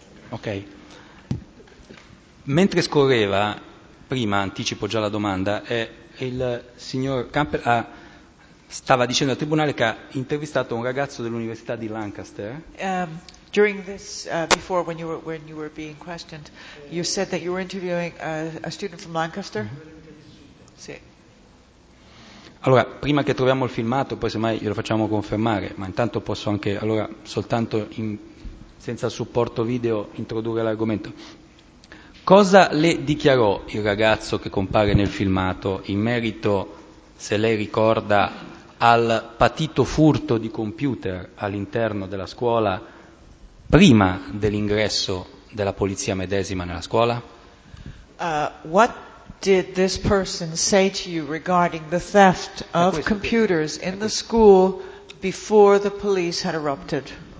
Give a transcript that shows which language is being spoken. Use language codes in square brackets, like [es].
[it] Ok. Mentre scorreva, prima anticipo già la domanda, il signor Campbell stava dicendo al tribunale che ha intervistato un ragazzo dell'università di Lancaster. [en] During this, before when you were being questioned, you said that you were interviewing a student from Lancaster. [it] Mm-hmm. Sì. Allora, prima che troviamo il filmato, poi semmai glielo facciamo confermare, ma intanto posso anche, allora, soltanto senza supporto video introdurre l'argomento. Cosa le dichiarò il ragazzo che compare nel filmato in merito, se lei ricorda, al patito furto di computer all'interno della scuola prima dell'ingresso della polizia medesima nella scuola? [en] What did this person say to you regarding the theft of computers in the school before the police had erupted?